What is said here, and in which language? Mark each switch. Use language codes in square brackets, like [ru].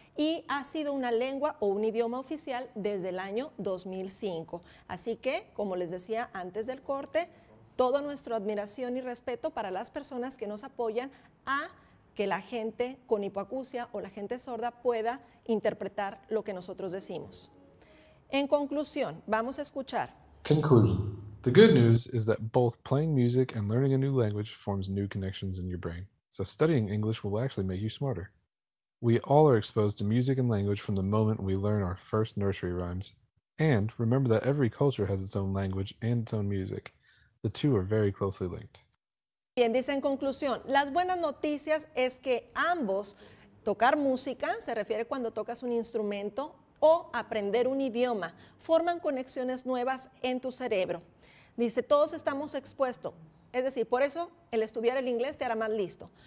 [es] Y ha sido una lengua o un idioma oficial desde el año 2005. Así que, como les decía antes del corte, toda nuestra admiración y respeto para las personas que nos apoyan a que la gente con hipoacusia o la gente sorda pueda interpretar lo que nosotros decimos. En conclusión, vamos a escuchar. [en] Conclusion. The good news is that both playing music and learning a new language forms new connections in your brain. So studying English will actually make you smarter. We all are exposed to music and language from the moment we learn our first nursery rhymes. And remember that every culture has its own language and its own music. The two are very closely linked. [es] Bien, dice en conclusión, las buenas noticias es que ambos, tocar música, se refiere cuando tocas un instrumento, o aprender un idioma, forman conexiones nuevas en tu cerebro. Dice, todos estamos expuestos, es decir, por eso el estudiar el inglés te hará más listo.